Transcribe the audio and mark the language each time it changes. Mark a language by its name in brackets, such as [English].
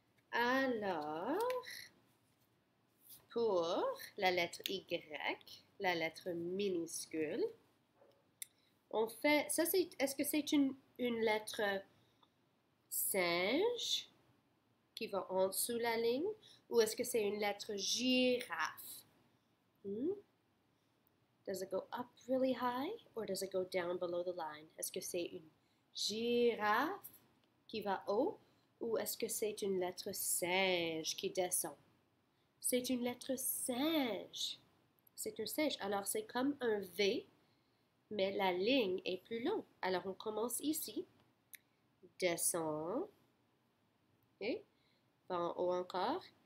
[French] Alors, pour la lettre Y, la lettre minuscule, on fait, ça c'est, est-ce que c'est une lettre singe qui va en dessous la ligne ou est-ce que c'est une lettre girafe? [English] Does it go up really high or does it go down below the line? [French] Est-ce que c'est une girafe qui va haut? Ou est-ce que c'est une lettre singe qui descend? C'est une lettre singe. C'est un singe. Alors, c'est comme un V, mais la ligne est plus longue. Alors, on commence ici. Descend. Okay. Va en haut encore.